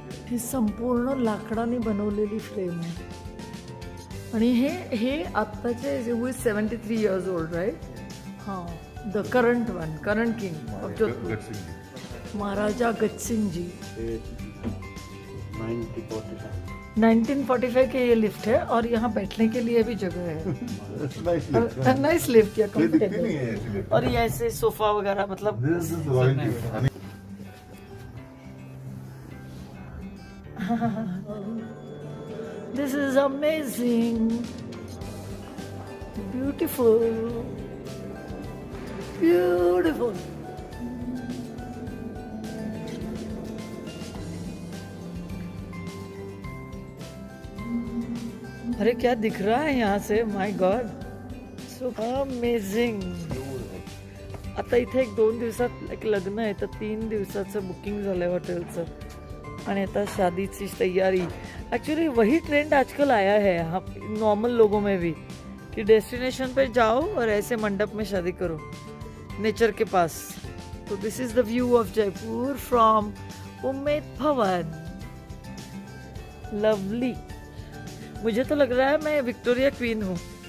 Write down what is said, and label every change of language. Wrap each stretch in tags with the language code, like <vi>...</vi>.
<mr>हे संपूर्ण लाकडाने बनवलेली फ्रेम आहे. आणि हे आत्ताचे</mr> <en>73 years old, right? हा, the current one, current king of Jodhpur, Maharaja Gaj Singh ji.</en> <hi>1945 के ये लिफ्ट है और यहाँ बैठने के लिए भी जगह है. नाइस लिफ्ट या कंफर्टेबल. और ये ऐसे सोफा वगैरह, मतलब</hi> <en>This is amazing, beautiful.</en> <hi>अरे क्या दिख रहा है यहाँ से,</hi> <en>My god, so amazing.</en> <mr>आता इथे एक दोन दिवसात एक लग्न आहे, तर 3 दिवसाचं बुकिंग झालं आहे हॉटेलचं. आणि आता शादीची तयारी.</mr> <hi>ॲक्च्युली वही ट्रेंड आजकल आया है नॉर्मल लोगों में भी, की डेस्टिनेशन पे जाओ और ऐसे मंडप में शादी करो नेचर के पास.</hi> <en>तो this is the view of Jaipur from Umaid Bhawan.</en> <hi>लवली, मुझे तो लग रहा है मैं विक्टोरिया क्वीन हूँ.</hi>